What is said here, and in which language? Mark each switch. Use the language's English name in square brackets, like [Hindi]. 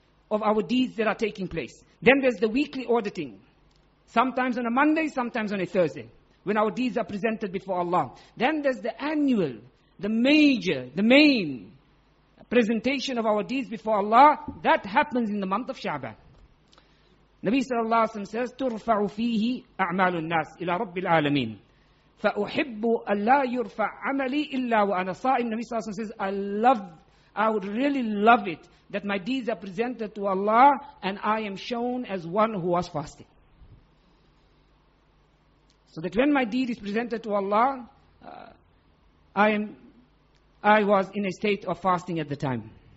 [English] of our deeds that are taking place. Then there's the weekly auditing. Sometimes on a Monday, sometimes on a Thursday, when our deeds are presented before Allah. Then there's the annual, the major, the main presentation of our deeds before Allah. That happens in the month of Sha'ban. [Arabic] Nabi sallallahu alayhi wa sallam says, تُرْفَعُ فِيهِ أَعْمَالُ النَّاسِ إِلَىٰ رَبِّ الْعَالَمِينَ فَأُحِبُّ أَلَّا يُرْفَعْ عَمَلِي إِلَّا وَأَنَا صَائِمٌ. [English] Nabi sallallahu alayhi wa sallam says, I would really love it that my deeds are presented to Allah and I am shown as one who was fasting. So that when my deed is presented to Allah, I was in a state of fasting at the time.